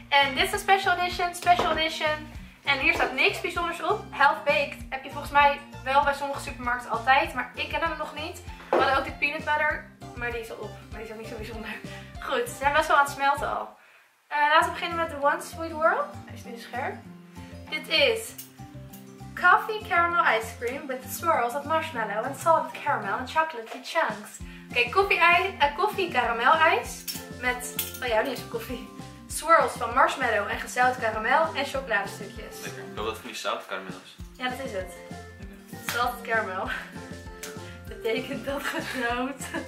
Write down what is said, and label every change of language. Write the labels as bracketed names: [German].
[Dutch] En dit is een special edition, En hier staat niks bijzonders op. Half Baked heb je volgens mij wel bij sommige supermarkten altijd, maar ik ken hem nog niet. We hadden ook de peanut butter, maar die is al op. Maar die is ook niet zo bijzonder. Goed, ze zijn best wel aan het smelten al. Laten we beginnen met de One Sweet World. Hij is nu scherp. Dit is... [English] Coffee caramel ice cream with the swirls of marshmallow and salted caramel and chocolatey chunks. [Dutch] Oké, koffie caramel ijs met, oh ja, niet eens koffie. Swirls van marshmallow en gezout caramel en chocoladestukjes. Lekker, ik hoop dat het van die zout caramel is. Ja, dat is het. Salted caramel. Betekent dat gedood.